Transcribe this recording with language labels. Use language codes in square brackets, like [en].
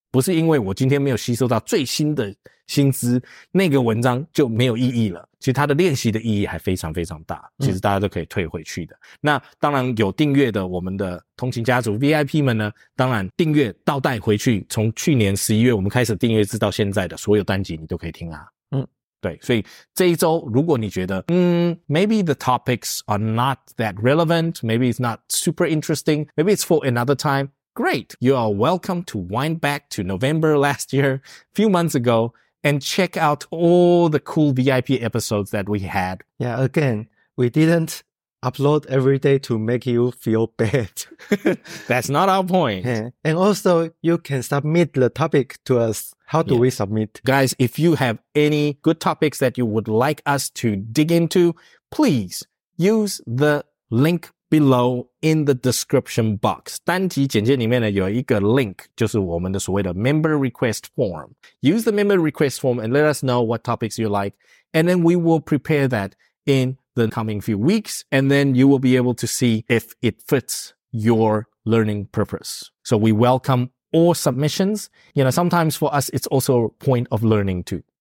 [zh] 不是因为我今天没有吸收到最新的薪资，那个文章就没有意义了。其实它的练习的意义还非常非常大，其实大家都可以退回去的。那当然有订阅的我们的通勤家族 VIP 们呢，当然订阅倒带回去，从去年11月我们开始订阅至到现在的所有单集你都可以听啊。嗯，对，所以这一周如果你觉得 [en] maybe the topics are not that relevant, maybe it's not super interesting, maybe it's for another time, great, you are welcome to wind back to November last year, few months agoAnd check out all the cool VIP episodes that we had. Yeah, again, we didn't upload every day to make you feel bad. That's not our point. Yeah. And also, you can submit the topic to us. How do、yeah. we submit? Guys, if you have any good topics that you would like us to dig into, please use the link. Below in the description box. [zh] 单集简介里面呢有一个 link, 就是我们的所谓的 [en] member request form. Use the member request form and let us know what topics you like. And then we will prepare that in the coming few weeks. And then you will be able to see if it fits your learning purpose. So we welcome all submissions. You know, sometimes for us, it's also a point of learning too.